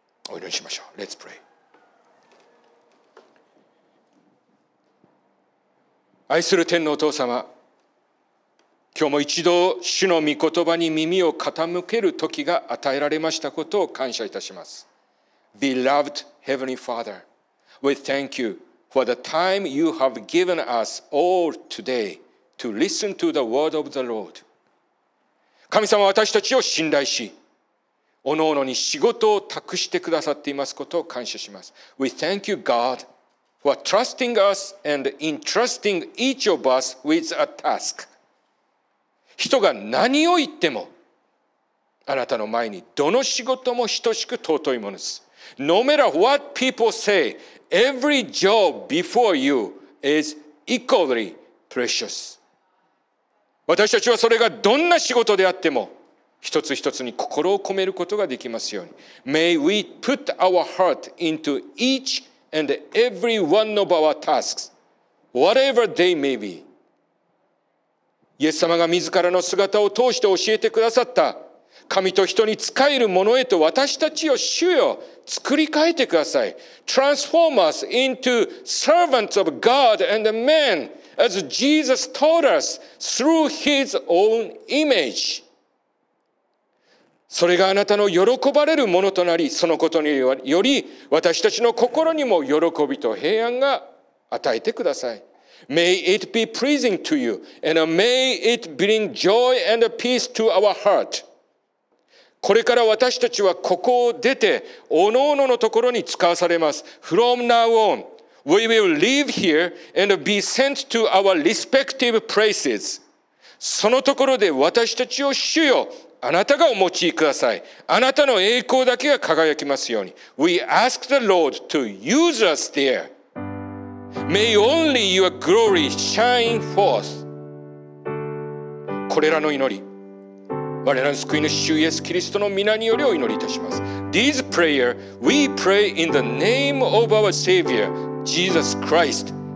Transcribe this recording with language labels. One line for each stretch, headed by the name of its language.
Japanese: お祈りしましょう。
English: Let's pray。
Japanese: 愛する天のお父様、今日も一度主の御言葉に耳を傾ける時が与えられましたことを感謝いたします。
English: Beloved Heavenly Father, we thank you for the time you have given us all today to listen to the word of the Lord。
Japanese: 神様、私たちを信頼し各々に仕事を託してくださっていますことを感謝します。
English: We thank you GodFor trusting us and entrusting each of us with a task。
Japanese: 人が何を言ってもあなたの前にどの仕事も等しく尊いものです。
English: No matter what people say, every job before you is equally precious。
Japanese: 私たちはそれがどんな仕事であっても一つ一つに心を込めることができますように。
English: May we put our heart into each and every one of our tasks, whatever they may be。
Japanese: イエス様が自らの姿を通して教えてくださった神と人に仕えるものへと私たちを、主よ、作り変えてください。
English: Transform us into servants of God and men as Jesus taught us through his own image。
Japanese: それがあなたの喜ばれるものとなり、そのことにより私たちの心にも喜びと平安が与えてください。
English: May it be pleasing to you, and may it bring joy and peace to our heart.
Japanese: これから私たちはここを出て、おのおののところに使わされます。
English: From now on, we will live here and be sent to our respective places.
Japanese: そのところで私たちを主よ、あなたがお持ちください。あなたの栄光だけが輝きますように。
English: We ask the Lord to use us there. May only your glory shine forth.
Japanese: これらの祈り、我らの救いの主イエス・キリストの皆によりお祈りいたします。
English: This prayer we pray in the name of our Savior Jesus Christ.